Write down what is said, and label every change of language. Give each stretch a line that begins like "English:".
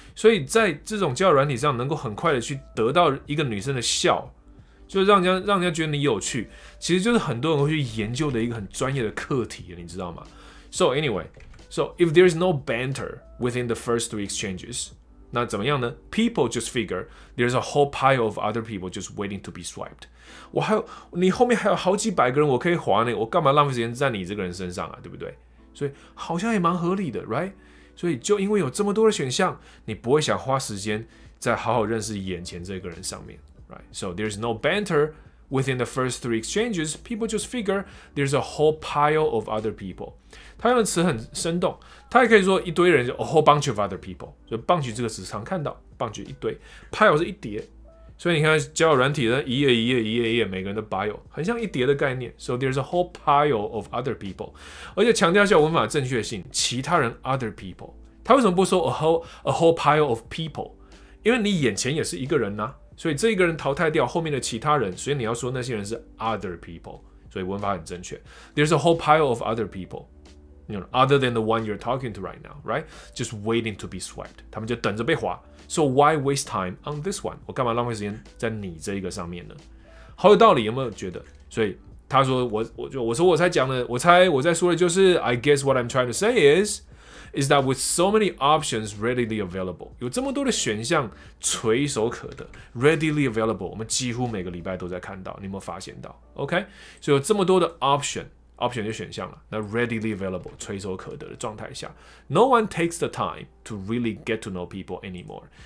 Chinese: 所以在这种交友软体上，能够很快的去得到一个女生的笑，就让人家觉得你有趣，其实就是很多人会去研究的一个很专业的课题，你知道吗 ？
English: So anyway， so if there is no banter within the first three exchanges，
Chinese: 那怎么样呢 ？
English: People just figure there's a whole pile of other people just waiting to be swiped。
Chinese: 我还有你后面还有好几百个人，我可以划呢，我干嘛浪费时间在你这个人身上啊，对不对？所以好像也蛮合理的 ，right？ 所以就因为有这么多的选项，你不会想花时间在好好认识眼前这个人上面 ，right？
English: So there's no banter within the first three exchanges. People just figure there's a whole pile of other people.
Chinese: 他用的词很生动，他也可以说一堆人 ，
English: a whole bunch of other people。
Chinese: 所以 bunch 这个词常看到 ，bunch 一堆 ，pile 是一叠。所以你看交友软体的一页一页一页一页，每个人的 bio 很像一叠的概念。
English: So there's a whole pile of other people，
Chinese: 而且强调一下文法正确性，其他人 other people， 他为什么不说 a whole pile of people？因为你眼前也是一个人呐、啊，所以这一个人淘汰掉后面的其他人，所以你要说那些人是 other people， 所以文法很正确。
English: There's a whole pile of other people， you know， other than the one you're talking to right now， right？ Just waiting to be swiped，
Chinese: 他们就等着被滑。
English: So why waste time on this one？
Chinese: 我干嘛浪费时间在你这一个上面呢？好有道理，有没有觉得？所以他说我说我才讲的，我猜我在说的就是 ，
English: I guess what I'm trying to say is that with so many options readily available，
Chinese: 有这么多的选项垂手可得 ，readily available， 我们几乎每个礼拜都在看到，你有没有发现到 ？OK， 所以有这么多的 option 就选项了，那 readily available 垂手可得的状态下 ，
English: no one takes the time to really get to know people anymore，